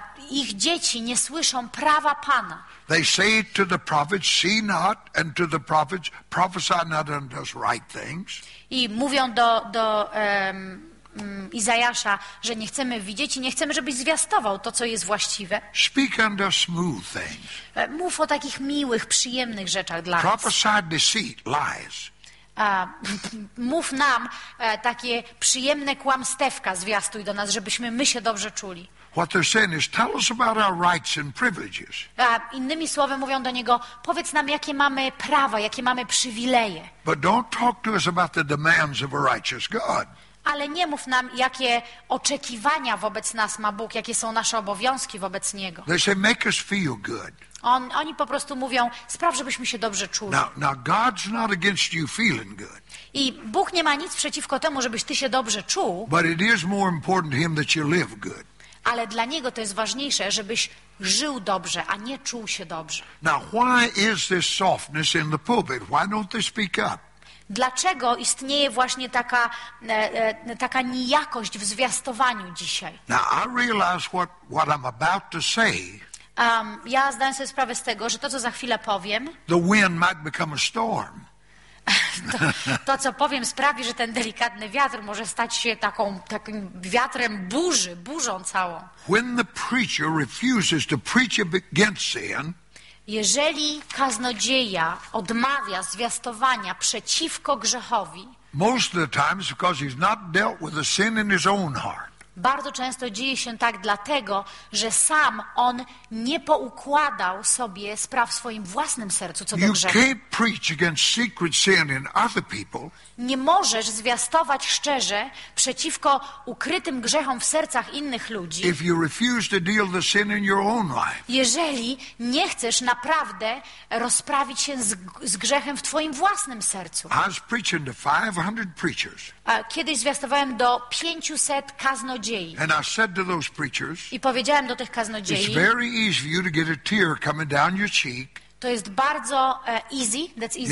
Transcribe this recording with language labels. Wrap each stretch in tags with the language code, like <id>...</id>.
<pl>Ich dzieci nie słyszą prawa Pana.</pl> <en>They say to the prophets, see not, and to the prophets, prophesy not unto us right things.</en> <pl>I mówią do Izajasza, że nie chcemy widzieć i nie chcemy, żebyś zwiastował to, co jest właściwe.</pl> <en>Speak unto us smooth things.</en> <pl>Mów o takich miłych, przyjemnych rzeczach dla nas.</pl> <en>Prophesy deceit, lies.</en> <pl>Mów nam takie przyjemne kłamstewka zwiastuj do nas, żebyśmy my się dobrze czuli.</pl> <en>What they're saying is, tell us about our rights and privileges.</en> <pl>Innymi słowy mówią do niego, powiedz nam, jakie mamy prawa, jakie mamy przywileje.</pl> <en>But don't talk to us about the demands of a righteous God.</en> <pl>Ale nie mów nam, jakie oczekiwania wobec nas ma Bóg, jakie są nasze obowiązki wobec Niego.</pl> <en>They say, make us feel good.</en> <pl>Oni po prostu mówią, spraw, żebyśmy się dobrze czuli.</pl> <en>Now God's not against you feeling good.</en> <pl>I Bóg nie ma nic przeciwko temu, żebyś ty się dobrze czuł.</pl> <en>But it is more important to him that you live good.</en> <pl>Ale dla Niego to jest ważniejsze, żebyś żył dobrze, a nie czuł się dobrze.</pl> <en>Now why is this softness in the pulpit? Why don't they speak up?</en> <pl>Dlaczego istnieje właśnie taka nijakość w zwiastowaniu dzisiaj?</pl> <en>Now I realize what I'm about to say.</en> <pl>Ja zdaję sobie sprawę z tego, że to, co za chwilę powiem,</pl> <en>the wind might become a storm.</en> <pl>To, co powiem, sprawi, że ten delikatny wiatr może stać się takim wiatrem burzy, burzą całą.</pl> <en>When the preacher refuses to preach against sin,</en> <pl>jeżeli kaznodzieja odmawia zwiastowania przeciwko grzechowi,</pl> <en>most of the time it's because he's not dealt with the sin in his own heart.</en> <pl>Bardzo często dzieje się tak dlatego, że sam on nie poukładał sobie spraw w swoim własnym sercu co do grzechu.</pl> <en>You can't preach against secret sin in other people.</en> <pl>Nie możesz zwiastować szczerze przeciwko ukrytym grzechom w sercach innych ludzi.</pl> <en>If you refuse to deal the sin in your own life.</en> <pl>Jeżeli nie chcesz naprawdę rozprawić się z grzechem w twoim własnym sercu.</pl> <en>I was preaching to 500 preachers.</en> <pl>Kiedyś zwiastowałem do 500 kaznodziei.</pl> <en>And I said to those preachers,</en> <pl>i powiedziałem do tych kaznodziei,</pl> <en>it's very easy for you to get a tear coming down your cheek.</en> <pl>To jest bardzo</pl> <en>easy, that's easy,</en>